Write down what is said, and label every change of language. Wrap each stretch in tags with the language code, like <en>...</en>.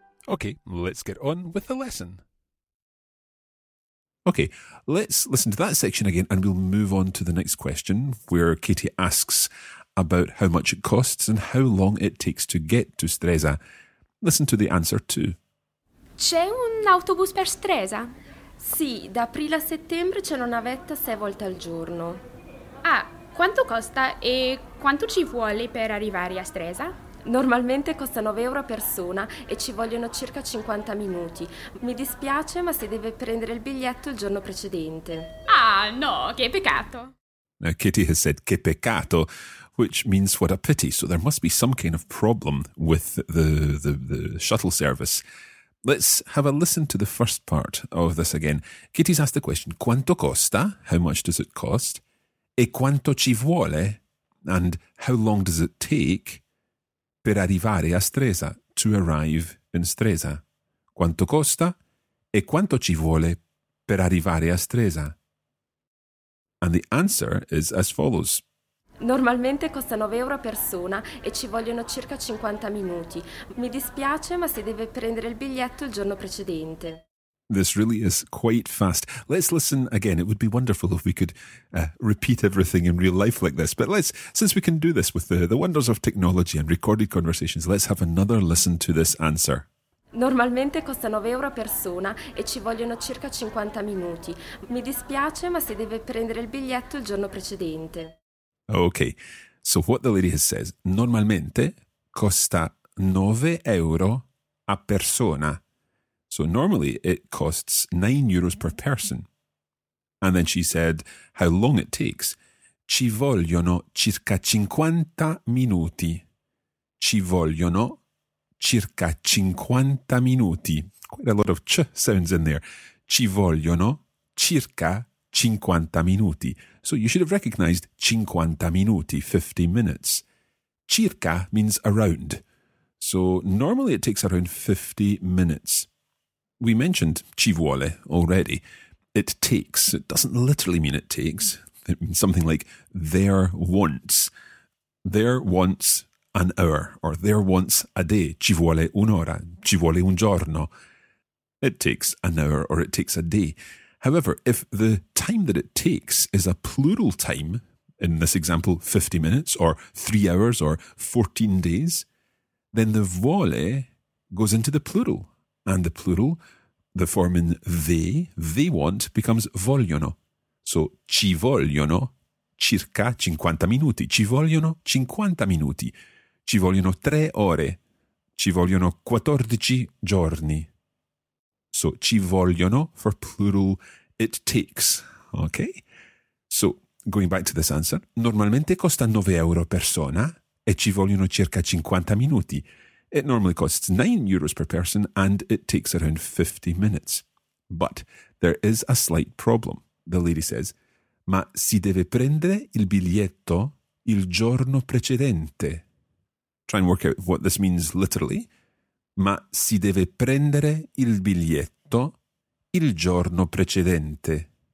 <en>Okay, let's get on with the lesson. Okay, let's listen to that section again and we'll move on to the next question where Katie asks about how much it costs and how long it takes to get to Stresa. Listen to the answer too.</en> <it>C'è un autobus per Stresa? Sì, da aprile a settembre c'è una navetta 6 volte al giorno. Ah, quanto costa e quanto ci vuole per arrivare a Stresa? Normalmente costa 9 euro a persona e ci vogliono circa 50 minuti. Mi dispiace, ma si deve prendere il biglietto il giorno precedente. Ah, no, che peccato!</it> <en>Now, Katie has said</en> <it>che peccato,</it> <en>which means what a pity. So there must be some kind of problem with the shuttle service. Let's have a listen to the first part of this again. Katie's asked the question,</en> <it>quanto costa?</it> <en>How much does it cost?</en> <it>E quanto ci vuole?</it> <en>And how long does it take?</en> <it>Per arrivare a Stresa,</it> <en>to arrive in Stresa.</en> <it>Quanto costa e quanto ci vuole per arrivare a Stresa?</it> <en>And the answer is as follows.</en> <it>Normalmente costa 9 euro a persona e ci vogliono circa 50 minuti. Mi dispiace, ma si deve prendere il biglietto il giorno precedente.</it> <en>This really is quite fast. Let's listen again. It would be wonderful if we could repeat everything in real life like this. But let's, since we can do this with the wonders of technology and recorded conversations, let's have another listen to this answer.</en> <it>Normalmente costa 9 euro a persona e ci vogliono circa 50 minuti. Mi dispiace, ma si deve prendere il biglietto il giorno precedente.</it> <en>Ok, so what the lady has said,</en> <it>normalmente costa 9 euro a persona.</it> <en>So normally it costs 9 euros per person. And then she said how long it takes.</en> <it>Ci vogliono circa 50 minuti. Ci vogliono circa 50 minuti.</it> <en>Quite a lot of ch sounds in there.</en> <it>Ci vogliono circa 50 minuti.</it> <en>So you should have recognized</en> <it>50 minuti,</it> <en>50 minutes. Circa means around. So normally it takes around 50 minutes. We mentioned</en> <it>ci vuole</it> <en>already. It takes. It doesn't literally mean it takes. It means something like there wants. There wants an hour, or there wants a day.</en> <it>Ci vuole un'ora. Ci vuole un giorno.</it> <en>It takes an hour, or it takes a day. However, if the time that it takes is a plural time, in this example, 50 minutes, or 3 hours, or 14 days, then the vuole goes into the plural. And the plural, the form in they want, becomes vogliono.</en> <it>So, ci vogliono circa 50 minuti. Ci vogliono 50 minuti. Ci vogliono 3 ore. Ci vogliono 14 giorni. So, ci vogliono</it> <en>for plural, it takes. Okay? So, going back to this answer.</en> <it>Normalmente costa 9 euro persona e ci vogliono circa 50 minuti.</it> <en>It normally costs 9 euros per person and it takes around 50 minutes. But there is a slight problem. The lady says, ma si deve prendere il biglietto il giorno precedente. Try and work out what this means literally.</en> <it>Ma si deve prendere il biglietto il giorno precedente.</it>